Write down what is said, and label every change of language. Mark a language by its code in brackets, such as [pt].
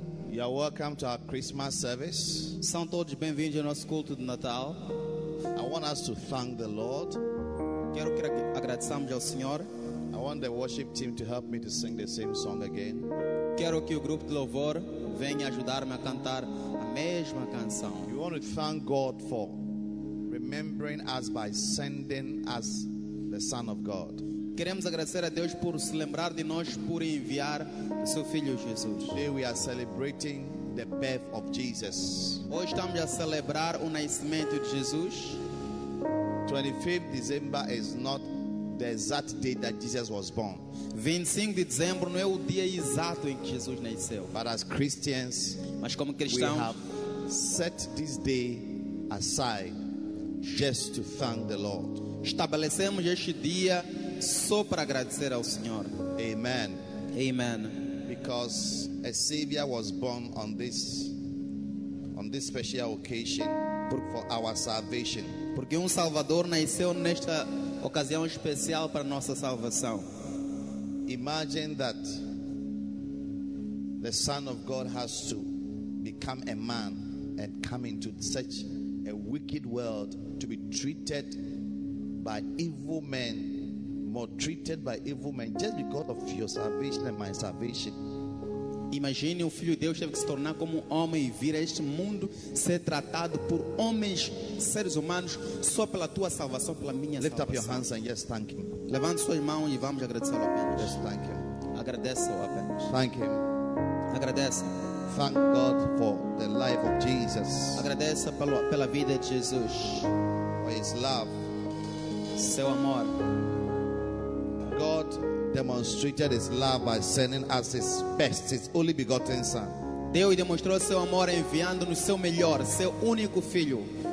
[en] You are welcome to our Christmas service. [pt] São todos bem-vindos ao nosso culto de Natal. [en] I want us to thank the Lord. [pt] Quero que agradeçamos ao Senhor. [en] I want the worship team to help me to sing the same song again. [pt] Quero que o grupo de louvor venha ajudar-me a cantar a mesma canção. [en] We want to thank God for remembering us by sending us the Son of God. [pt] Queremos agradecer a Deus por se lembrar de nós por enviar o seu filho Jesus. [en] Today we are celebrating the birth of Jesus. [pt] Hoje estamos a celebrar o nascimento de Jesus. 25 de dezembro [en] is not the exact day that Jesus was born. [pt] 25 de dezembro não é o dia exato em que Jesus nasceu. [en] But as Christians, [pt] mas como cristãos, [en] we have set this day aside just to thank the Lord. [pt] Estabelecemos este dia só para agradecer ao Senhor. [en] Amen. [pt] Amen. [en] Because a Savior was born on this special occasion for our salvation. [pt] Porque Salvador nasceu nesta ocasião especial para nossa salvação. [en] Imagine that the Son of God has to become a man and come into such a wicked world to be treated by evil men. Maltreated by evil men just because of your salvation and my salvation. [pt] Imagine o Filho de Deus teve que se tornar como um homem e vir a este mundo ser tratado por homens, seres humanos, só pela tua salvação, pela minha [en] Lift [pt] salvação. [en] Up your hands and just thank him. [pt] Levante suas mãos e vamos agradecê-lo apenas. [en] Just thank him. [pt] Agradeça-o apenas. [en] Thank him. [pt] Agradeça. [en] Thank God for the life of Jesus. [pt] Agradeça pela vida de Jesus. [en] For his love. [pt] Seu amor. [en] God demonstrated his love by sending us his best, his only begotten son. [pt] Deus demonstrou seu amor enviando-nos seu melhor, seu único filho.